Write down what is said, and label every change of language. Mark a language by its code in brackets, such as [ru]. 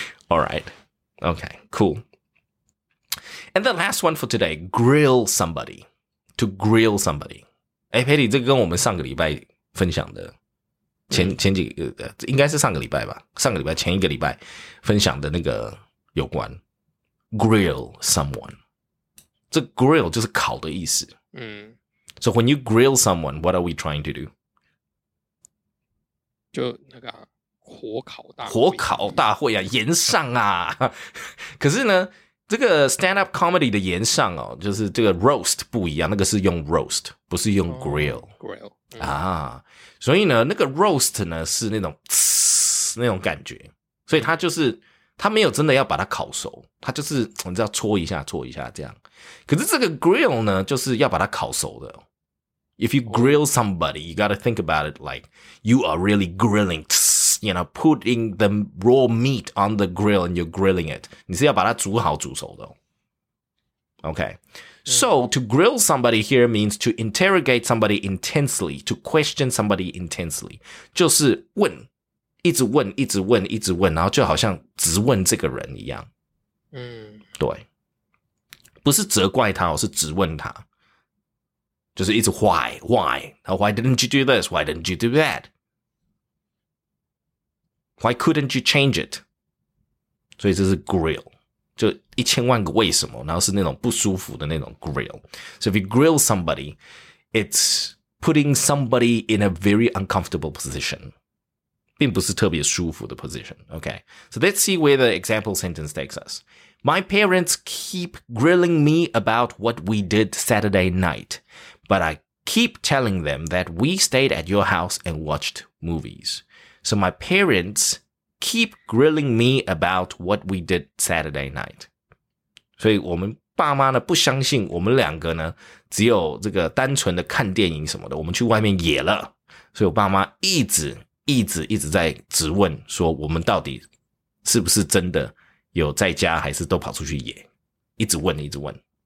[en] All right, okay, cool. And the last one for today, grill somebody. To grill somebody. [zh] 哎 ，Patty， 这个跟我们上个礼拜分享的前几个应该是上个礼拜吧，上个礼拜前一个礼拜分享的那个有关 grill someone. 这 grill 就是烤的意思。嗯。 [en] So when you grill someone, what are we trying to do? [zh] 就那个、啊、火烤大会。火烤大会啊，炎上啊。可是呢，这个 stand-up comedy 的炎上哦，就是这个 roast 不一样，那个是用 roast, 不是用 grill.、 [en] Oh, grill.、嗯、啊。 [zh] 所以呢，那个 roast 呢是那种嘶那种感觉。所以它就是它没有真的要把它烤熟，它就是你知道搓一下这样。可是这个 grill 呢就是要把它烤熟的。 [en] If you grill somebody, you gotta think about it like you are really grilling, you know, putting the raw meat on the grill and you're grilling it. [zh] 你是要把它煮好煮熟的。 [en] Okay. So, to grill somebody here means to interrogate somebody intensely, to question somebody intensely. [zh] 就是问一直问一直问一直问，然后就好像直问这个人一样。嗯，对，不是责怪他，我是直问他，就是一直 [en] why didn't you do this, why didn't you do that, why couldn't you change it。 [zh] 所以这是 grill，就一千万个为什么，然后是那种不舒服的那种 grill。 [en] So if you grill somebody, it's putting somebody in a very uncomfortable position, [zh] 并不是特别舒服的 [en] position, okay? So let's see where the example sentence takes us. My parents keep grilling me about what we did Saturday night, but I keep telling them that we stayed at your house and watched movies. So my parents... Keep grilling me about what we did Saturday night. [zh] 所以我们爸妈呢不相信我们两个呢只有这个单纯的看电影什么的，我们去外面野了。所以我爸妈一直一直一直在质问说我们到底是不是真的有在家还是都跑出去野，一直问一直问。